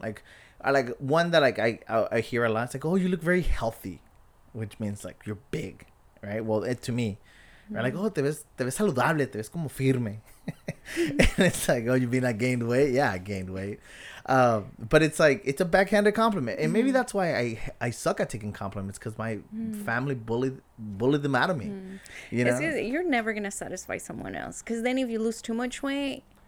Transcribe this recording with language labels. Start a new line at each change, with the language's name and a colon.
English: Like, I like one that like I hear a lot. It's like, oh, you look very healthy, which means like you're big, right? Well, it to me, right? Like, oh,
Spanish: te ves saludable, te ves como firme.
English: And it's like, oh, you mean I gained weight? Yeah, I gained weight. But it's like, it's a backhanded compliment. And maybe that's why I suck at taking compliments, because my family bullied them out of me. You know? You're never going to satisfy someone else. Because then if you lose too much weight,